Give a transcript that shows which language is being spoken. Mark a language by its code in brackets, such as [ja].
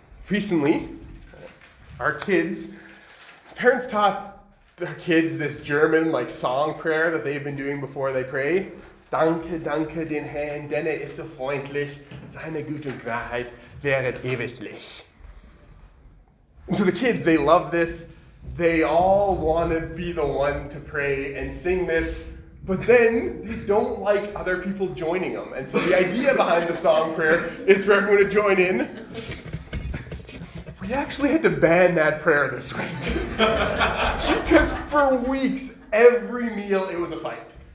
[en] Recently, our kids, parents taught their kids this German like song prayer that they've been doing before they pray. [de] Danke, danke den Herrn, denn ist so freundlich, seine gute Wahrheit wäret ewiglich. [en] And so the kids, they love this. They all want to be the one to pray and sing this, but then they don't like other people joining them. And so the idea behind the song prayer is for everyone to join in. We actually had to ban that prayer this week. Because for weeks, every meal, it was a fight.